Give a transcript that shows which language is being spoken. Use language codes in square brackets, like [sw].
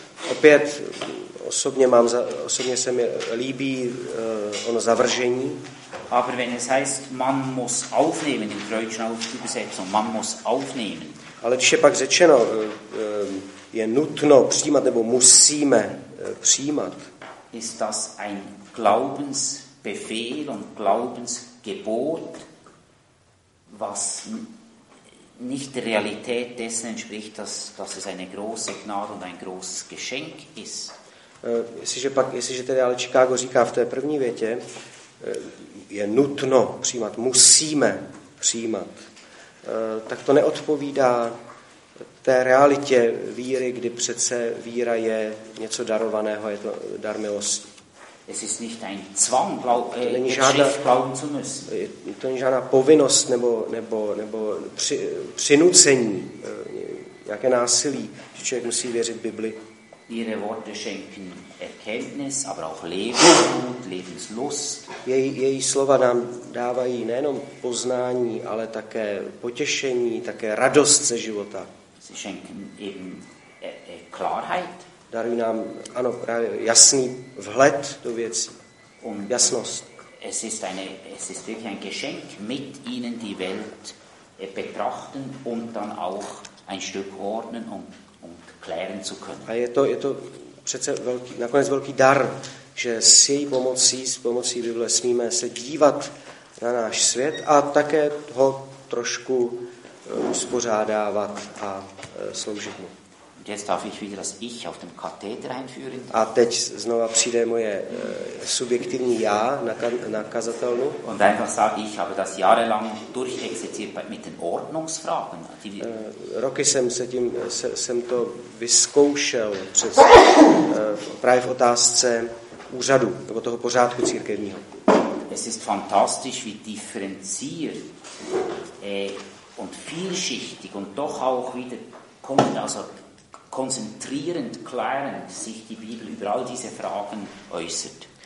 [cs] Opět osobně se mi líbí ono zavržení. [de] Aber wenn es heißt, man muss aufnehmen, im Deutschen Übersetzung, man muss aufnehmen. [cs] Ale když je pak řečeno, je nutno přijímat nebo musíme přijímat. [de] Ist das ein Glaubens Befehl und Glaubensgebot, was nicht der Realität dessen entspricht, dass es eine große Gnade und ein großes Geschenk ist. [cs] Jestliže tedy ale Chicago říká v té první větě, je nutno přijímat, musíme přijímat, tak to neodpovídá té realitě víry, kdy přece víra je něco darovaného, je to dar milosti. [de] Es ist nicht ein Zwang, glauben zu müssen. [cs] To není žádná povinnost nebo přinucení, jaké násilí, že člověk musí věřit Bibli. [de] Ihre Worte schenken Erkenntnis, aber auch Lebensmut, Lebenslust. [cs] Její slova nám dávají nejenom poznání, ale také potěšení, také radost ze života. [de] Sie schenken eben Klarheit. [cs] Darují nám, ano, právě jasný vhled do věcí. Jasnost. [de] Es ist wirklich ein Geschenk, mit ihnen die Welt betrachten und dann auch ein Stück ordnen und klären zu können. [cs] A je to přece nakonec velký dar, že s její pomocí, s pomocí Bible, smíme se dívat na náš svět a také ho trošku uspořádávat a sloužit mu. [de] Jetzt darf ich wieder das Ich auf dem Katheter einführen. [cs] A teď znova přijde moje subjektivní já na kazatelnu. [de] Und einfach sage ich, habe das jahrelang durchexerziert mit den Ordnungsfragen. [cs] Roky jsem jsem to vyzkoušel přes právě v otázce úřadu nebo toho pořádku církevního. [de] es ist fantastisch, wie differenziert und vielschichtig und doch auch wieder kommt, also konzentrierend, klärend sich die Bibel über all diese Fragen äußert.